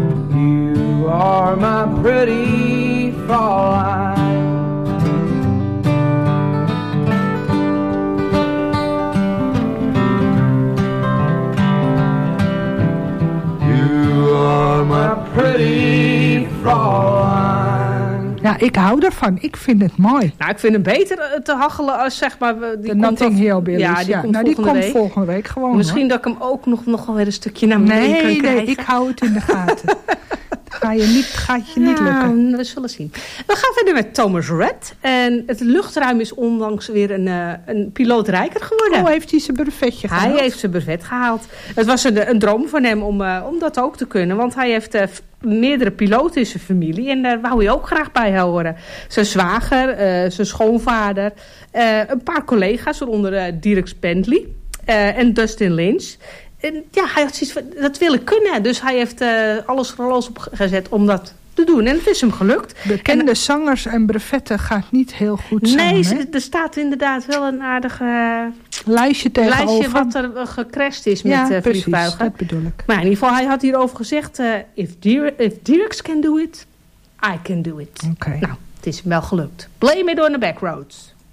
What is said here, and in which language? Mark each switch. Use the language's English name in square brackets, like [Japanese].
[English] You are my pretty Fraulein. You are my pretty Fraulein. [Dutch] Ja, ik hou ervan. Ik vind het mooi. Nou, ik vind hem beter te hachelen als, zeg maar... De Nothing Hill Billies. Ja, die komt volgende week. Nou, die komt volgende week gewoon. Misschien hoor. Dat ik hem ook nog wel weer een stukje naar beneden kan krijgen. Nee, ik hou het in de gaten. gaat je niet lukken. Ja, we zullen zien. We gaan verder met Thomas Redd. En het luchtruim is onlangs weer een piloot rijker geworden. Oh, heeft hij zijn brevetje gehaald? Hij heeft zijn brevet gehaald. Het was een droom van hem om dat ook te kunnen. Want hij heeft... meerdere piloten in zijn familie. En daar wou hij ook graag bij horen. Zijn zwager, zijn schoonvader. Een paar collega's, waaronder Dirk Bentley. En Dustin Lynch. En ja, hij had zoiets van, dat wil ik kunnen. Dus hij heeft alles er los op gezet om dat te doen. En het is hem gelukt. Bekende zangers en brevetten gaat niet heel goed nee, samen. Nee, er staat inderdaad wel een aardige... lijstje tegenover. Lijstje wat er gecrashed is met vliegtuigen. Ja, dat bedoel ik. Maar in ieder geval, hij had hierover gezegd... [English] If Dirks can do it, I can do it. Okay. [Dutch] Nou, het is wel gelukt. [English] Blame it on the back roads.